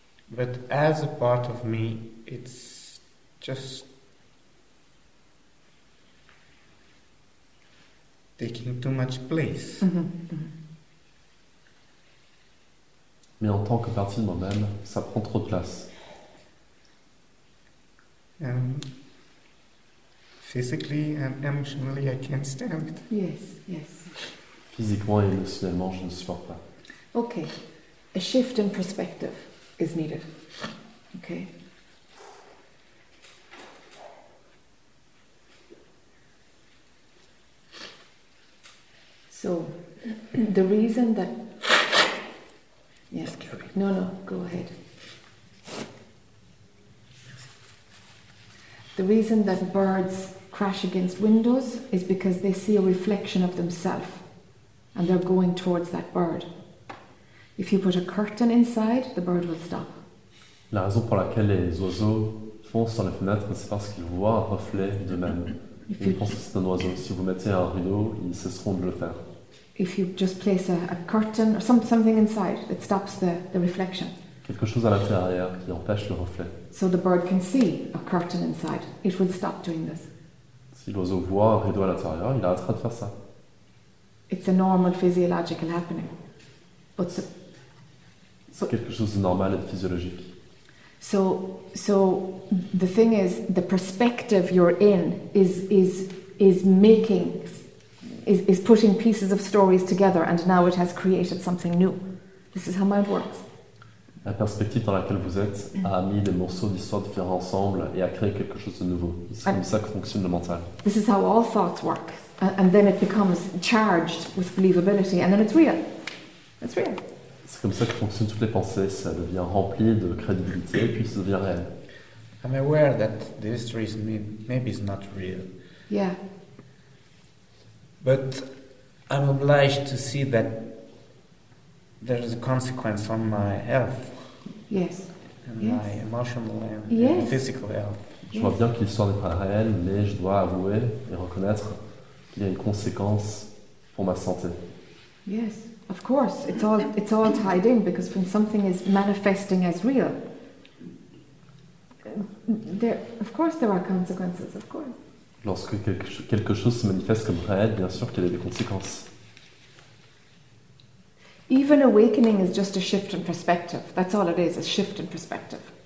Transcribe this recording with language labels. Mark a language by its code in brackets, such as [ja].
[en] But as a part of me, it's just taking too much place. Mm-hmm. [fr] Mais en tant que partie de moi-même, ça prend trop de place. [en] Physically and emotionally, I can't stand it. Yes, yes. [fr] Physiquement et émotionnellement, je ne supporte pas. [en] Okay, a shift in perspective is needed. Okay. So, the reason that. Yes, yeah. No, go ahead. The reason that birds crash against windows is because they see a reflection of themselves and they're going towards that bird. If you put a curtain inside, the bird will stop. [fr] La raison pour laquelle les oiseaux foncent dans les fenêtres, c'est parce qu'ils voient un reflet d'eux-mêmes. Ils pensent que c'est un oiseau. Si vous mettez un rideau, ils cesseront de le faire. [en] If you just place a curtain or something inside, it stops the reflection. [fr] Quelque chose à l'intérieur qui empêche le reflet. [en] So the bird can see a curtain inside. It will stop doing this. [fr] Si l'oiseau voit un rideau à l'intérieur, il arrêtera de faire ça. [en] It's a normal physiological happening. But [fr] c'est quelque chose de normal et de physiologique. [en] So the thing is, the perspective you're in is making. Is putting pieces of stories together, and now it has created something new. This is how mind works. [fr] La perspective dans laquelle vous êtes a mis des morceaux d'histoire différents ensemble et a créé quelque chose de nouveau. C'est comme ça que fonctionne le mental. [en] This is how all thoughts work, and then it becomes charged with believability, and then it's real. It's real. [fr] C'est comme ça que fonctionnent toutes les pensées. Ça devient rempli de crédibilité, puis ça devient réel. [en] I'm aware that the history is maybe is not real. Yeah. But I'm obliged to see that there is a consequence on my health. Yes. And yes. My emotional and yes. Physical health. [fr] Je vois bien que l'histoire n'est pas réelle, mais je dois avouer et reconnaître qu'il y a une conséquence pour ma santé. [en] Yes, of course. It's all tied in because when something is manifesting as real, there are consequences, of course. [fr] Lorsque quelque chose se manifeste comme réel, bien sûr qu'il y a des conséquences. [en] Even awakening is just a shift in perspective. That's all it is, a shift in perspective.